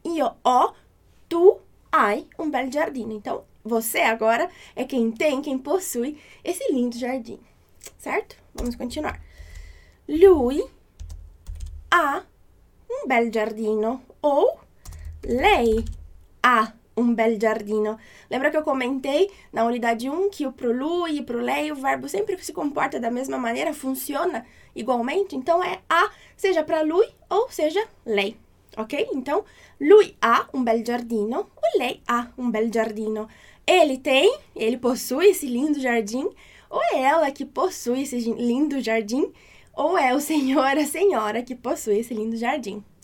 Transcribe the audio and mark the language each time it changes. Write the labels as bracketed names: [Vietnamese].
[Italian] Io ho, tu hai un bel giardino. [Portuguese] Então, você agora é quem tem, quem possui esse lindo jardim, certo? Vamos continuar. [Italian] Lui ha un bel giardino. Ou lei ha un bel giardino. [Portuguese] Lembra que eu comentei na unidade 1 que o pro lui e pro lei o verbo sempre se comporta da mesma maneira, funciona igualmente? Então é ha, seja para lui ou seja lei. Ok? [Italian] Então, lui ha un bel giardino, o lei ha un bel giardino. [Portuguese] Ele tem, ele possui esse lindo jardim, ou é ela que possui esse lindo jardim, ou é o senhor, a senhora que possui esse lindo jardim.